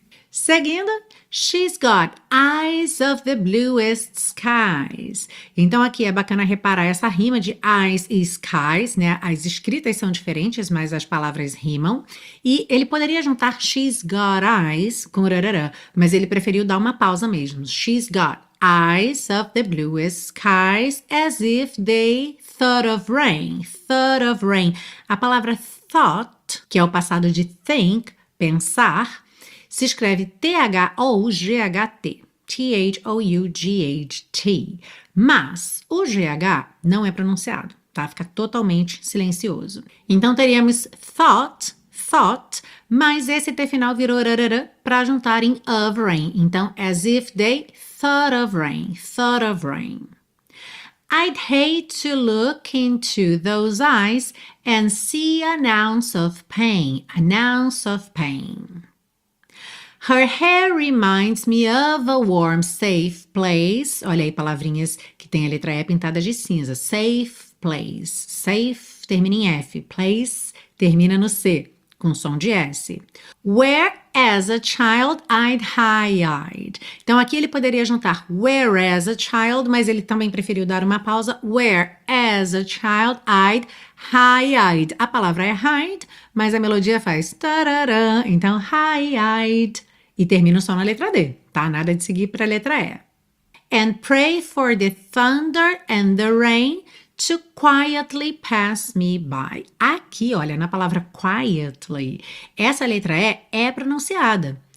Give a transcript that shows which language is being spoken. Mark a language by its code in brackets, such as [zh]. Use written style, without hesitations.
[en] Seguindo, she's got eyes of the bluest skies. [pt] Então aqui é bacana reparar essa rima de eyes e skies, né? As escritas são diferentes, mas as palavras rimam. E ele poderia juntar [en] she's got eyes [pt] com rarará, mas ele preferiu dar uma pausa mesmo. [en] She's got eyes of the bluest skies as if they thought of rain. Thought of rain. [pt] A palavra thought, que é o passado de think, pensar, se escreve T-H-O-U-G-H-T, T-H-O-U-G-H-T, mas o G-H não é pronunciado, tá? Fica totalmente silencioso. Então teríamos thought, thought, mas esse T final virou rarará para juntar em of rain. [en] Então, as if they thought of rain, thought of rain. I'd hate to look into those eyes and see an ounce of pain, an ounce of pain. Her hair reminds me of a warm, safe place. [pt] Olha aí, palavrinhas que tem a letra E pintada de cinza. [en] Safe place. [pt] Safe termina em F. Place termina no C, com som de S. [en] Where as a child I'd high-eyed. [pt] Então aqui ele poderia juntar where as a child, mas ele também preferiu dar uma pausa. [en] Where as a child I'd high-eyed. [pt] A palavra é hide, mas a melodia faz tarará. Então high-eyed. E termina só na letra D, tá? Nada de seguir para a letra E. [en] And pray for the thunder and the rain to quietly pass me by. [pt] Aqui, olha, na palavra quietly, essa letra E é pronunciada.